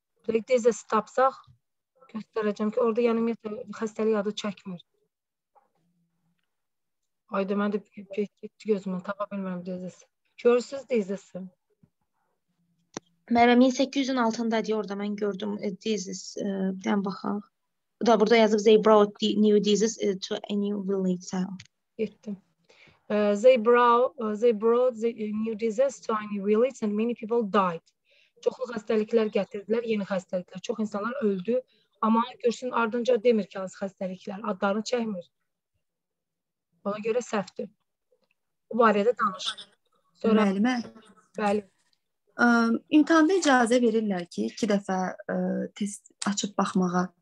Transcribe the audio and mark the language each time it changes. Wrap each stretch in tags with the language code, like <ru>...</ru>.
<az>Burada disease tapsaq, göstərəcəm ki, orada yəni xəstəlik adı çəkmir. Ay da mən də getdi gözümə, tapa bilmirəm disease. Görürsünüz disease-i. Mənim 1800-ün altındadır orada mən gördüm disease. Bir dənə baxaq. Da burada yazıb</az> <en>they brought the new disease to a new village.</en> <az>Getdim.</az> <en>They brought the new disease to any village and many people died.</en> <az>Çoxlu xəstəliklər gətirdilər, yeni xəstəliklər. Çox insanlar öldü. Amma görsün, ardınca demir ki, hansı xəstəliklər. Adlarını çəkmir. Ona görə səhvdir. Bu barədə danışır. Müəllimə. Bəli. İmtahanda icazə verirlər ki, iki dəfə test açıb baxmağa.</az>